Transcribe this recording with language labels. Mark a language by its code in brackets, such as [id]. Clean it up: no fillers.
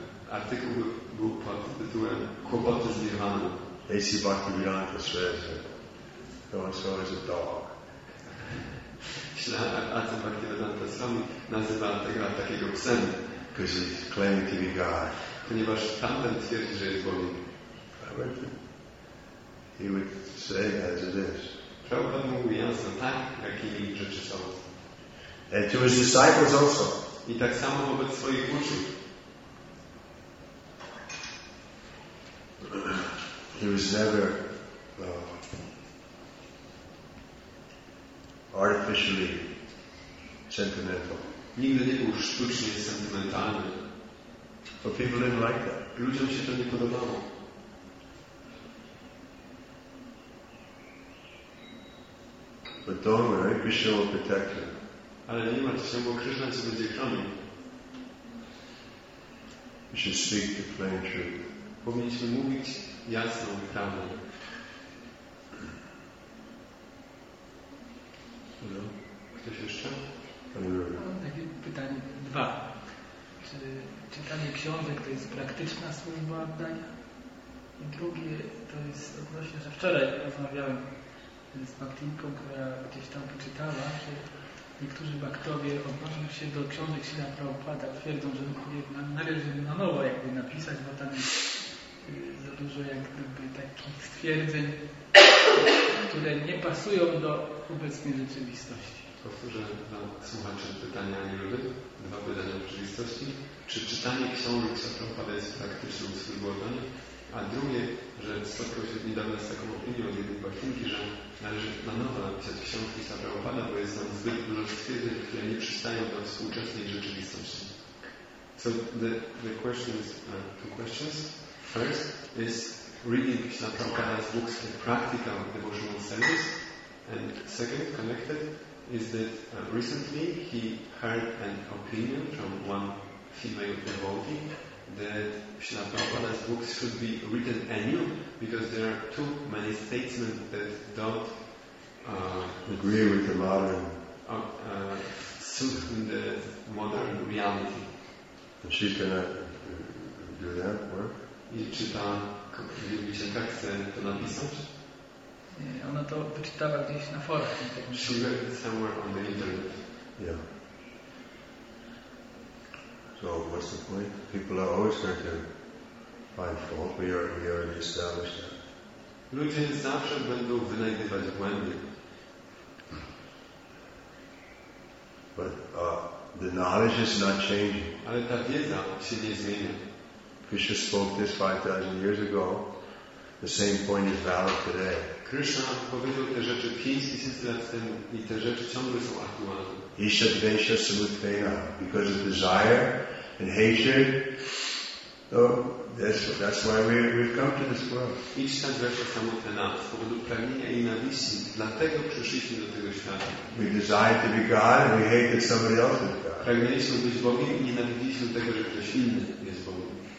[pl] Artykuł był pod tytułem Kłopoty z Nirvana. [en] A.C. Bhaktivedanta says that so and so is a dog. [pl] A.C. Bhaktivedanta sam nazywa tego takiego psem. [en] Because he's claiming to be God. [pl] Ponieważ tamten twierdzi, że jest Bogiem. [en] He would say as it is. [pl] Prabhupada mówił jasno, tak, jak i rzeczy są. [en] And to his disciples also. [pl] I tak samo wobec swoich uczuć. [en] He was never artificially sentimental. [pl] Nigdy nie był sztucznie sentymentalny. [en] But people didn't like that. [pl] Ludziom się to nie podobało. [en] But don't worry, Krishna will protect you. [pl] Ale nie martw się, bo Krishna cię będzie chronił. [en] You should speak the plain truth. [pl] Powinniśmy mówić jasną prawdę. No. Ktoś jeszcze? Takie pytanie dwa. Czy czytanie książek to jest praktyczna służba oddania? I drugie to jest odnośnie, że wczoraj rozmawiałem z Baktinką, która gdzieś tam poczytała, że niektórzy baktowie odnoszą się do książek Śrila Prabhupada, twierdzą, że należy na nowo jakby napisać, bo tam jest za dużo jakby takich stwierdzeń, które nie pasują do obecnej rzeczywistości. Powtórzę dla słuchaczy pytania Anioły, dwa pytania o rzeczywistości. Czy czytanie książek Śrila Prabhupada jest praktyczną służbą oddania? A drugie, że spotkał się niedawno z taką opinią od jednej baktinki, że należy na nowo napisać książki Śrila Prabhupada, bo jest tam zbyt dużo stwierdzeń, które nie przystają do współczesnej rzeczywistości. [en] So the question is, two questions. First, is reading Śrila Prabhupada's books a practical devotional service? And second, connected, is that recently he heard an opinion from one female devotee that Śrīla Prabhupāda's books should be written anew because there are too many statements that don't agree with the modern suit in the modern reality. And she cannot do that work? [pl] I czy ta dziewczynka chce to napisać? Nie, ona to wyczytała gdzieś na forach. [en] She read it somewhere on the internet. Yeah. So what's the point? People are always going to find fault. We already established that. [pl] Ludzie zawsze będą wynajdywać błędy. [en] But the knowledge is not changing. [pl] Ale ta wiedza się nie zmienia. [en] Krishna spoke this 5,000 years ago. The same point is valid today. [pl] Krishna powiedział te rzeczy 5,000 lat temu i te rzeczy ciągle są aktualne. [sa] Isha dvesha samutpena, [en] because of desire and hatred. So that's why we've come to this world. [sa] Isha dvesha samutpena, [pl] z powodu pragnienia i nienawiści, dlatego przyszliśmy do tego świata. [en] We desire to be God and we hate that somebody else is God. [pl] Pragnęliśmy być Bogiem i nienawidziliśmy tego, że ktoś inny jest Bogiem.